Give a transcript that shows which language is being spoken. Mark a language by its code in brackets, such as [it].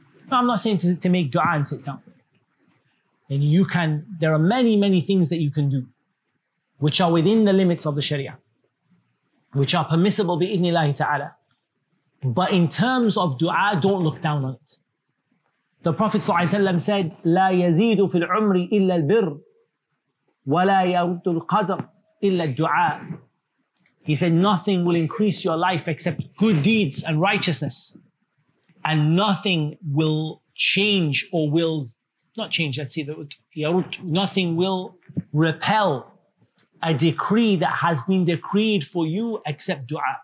[en] I'm not saying to make dua and sit down. And you can, there are many, many things that you can do, which are within the limits of the Sharia, which are permissible [ar] bi-idhnillahi ta'ala. [en] But in terms of dua, don't look down on it. The Prophet ﷺ said, [ar] لا يزيد في العمر إلا البر ولا يرد القدر إلا الدعاء. [en] He said, nothing will increase your life except good deeds and righteousness. And nothing will change or will, not change, let's see, nothing will repel a decree that has been decreed for you except dua.